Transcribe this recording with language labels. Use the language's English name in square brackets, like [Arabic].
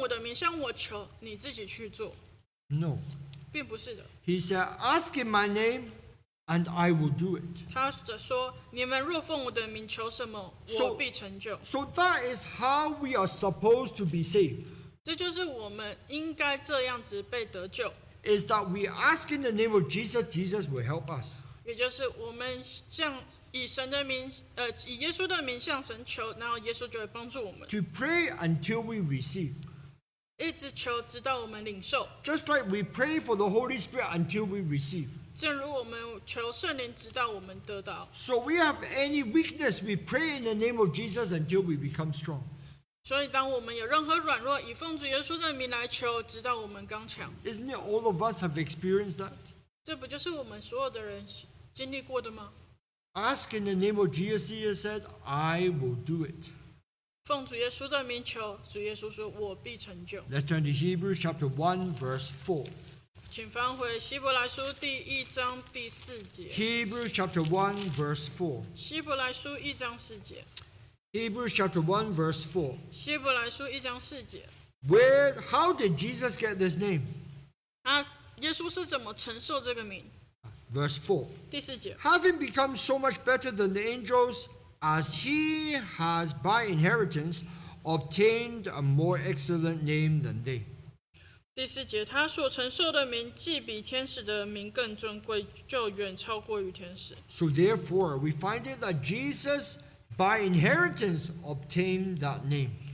[Chinese] 耶稣不曾说用我的名向我求你自己去做。 [English] No. [Chinese] 并不是的。 [English] He said, ask in my name and I will do it. [Chinese] 他说你们若奉我的名求什么我必成就。 [English] So that is how we are supposed to be saved. [Chinese] 这就是我们应该这样子被得救。 [English] Is that we ask in the name of Jesus, Jesus will help us. [Chinese] 也就是我们向以神的名，以耶稣的名向神求，然后耶稣就会帮助我们。 [English] To pray until we receive. [Chinese] 一直求直到我们领受。 [English] Just like we pray for the Holy Spirit until we receive. [Chinese] 正如我们求圣灵直到我们得到。 [English] So we have any weakness, we pray in the name of Jesus until we become strong. [Chinese] 所以当我们有任何软弱以奉主耶稣的名来求直到我们刚强。 [English] Isn't it all of us have experienced that? [Chinese] 这不就是我们所有的人经历过的吗? [English] Ask in the name of Jesus, he said, I will do it. [Chinese] 奉主耶稣的名求主耶稣说我必成就。 [English] Let's turn to Hebrews chapter 1 verse 4. [Chinese] 请翻回希伯来书第一章第四节。 [English] Hebrews chapter 1 verse 4. [Chinese] 希伯来书一章四节。 [English] Hebrews chapter 1 verse 4. [Chinese] 希伯来书一章四节。 [English] Where, how did Jesus get this name? [Chinese] 那耶稣是怎么承受这个名? [English] Verse 4. [Chinese] 第四节。 [English] Having become so much better than the angels, as he has by inheritance obtained a more excellent name than they. [Chinese] 第四节，他所承受的名既比天使的名更尊贵，就远超过于天使。 [English] So therefore, we find it that Jesus... By inheritance, obtained that name.